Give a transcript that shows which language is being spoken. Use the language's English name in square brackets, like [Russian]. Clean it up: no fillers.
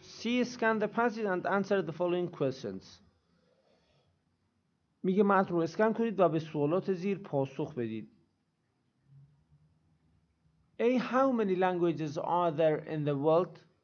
[English] See, scan the passage and answer the following questions. [Persian] میگه متن رو اسکن کنید و به سوالات زیر پاسخ بدید. [English] A. How many languages are there in the world?